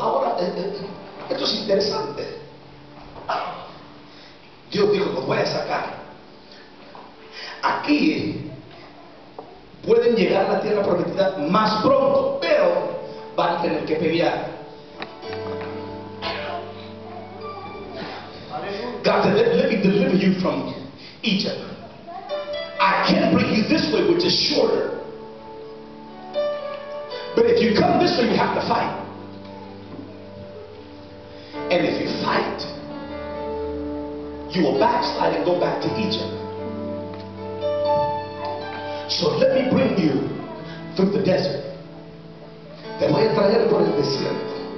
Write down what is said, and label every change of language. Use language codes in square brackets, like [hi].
[es] Ahora, esto es interesante. Dios dijo: los voy a sacar. Aquí pueden llegar a la tierra prometida más pronto, pero van a tener que pelear. [en] God said, let me deliver you from Egypt. I can't bring you this way, which is shorter. But if you come this way, you have to fight. And if you fight, you will backslide and go back to Egypt. So let me bring you through the desert. [es] Te voy a traer por el desierto.